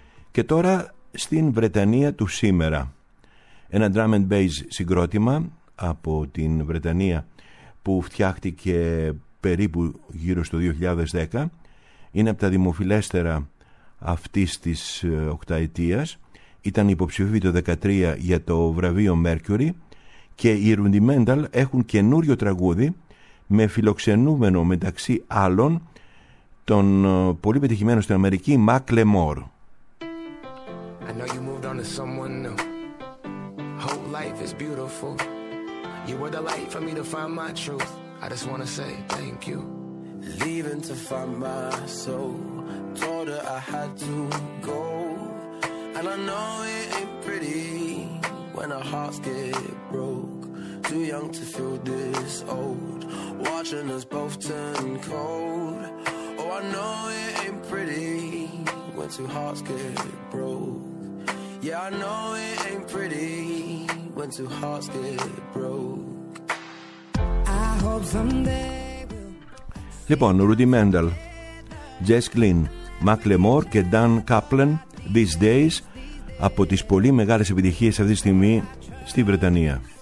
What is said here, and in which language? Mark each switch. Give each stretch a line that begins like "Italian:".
Greek: Και τώρα στην Βρετανία του σήμερα, ένα drum and bass συγκρότημα από την Βρετανία που φτιάχτηκε περίπου γύρω στο 2010, είναι από τα δημοφιλέστερα αυτής της οκταετίας, ήταν υποψηφοί το 2013 για το βραβείο Mercury, και οι Rudimental έχουν καινούριο τραγούδι με φιλοξενούμενο μεταξύ άλλων τον πολύ πετυχημένο στην Αμερική Mac Lemore.
English: I know you moved on to someone new. Whole life is beautiful. You were the light for me to find my truth. I just wanna say thank you. Leaving to find my soul. Told her I had to go. And I know it ain't pretty when our hearts get broke. Too young to feel this old. Watching us both turn cold. Oh, I know it ain't pretty when two hearts get broke. Yeah, I know it ain't pretty when two hearts get broke. I hope someday we'll...
Greek: Λοιπόν, Rudy Mendel, Jess Glynn, Mac Lemore και Dan Kaplan, These Days, από τις πολύ μεγάλες επιτυχίες αυτή τη στιγμή στη Βρετανία.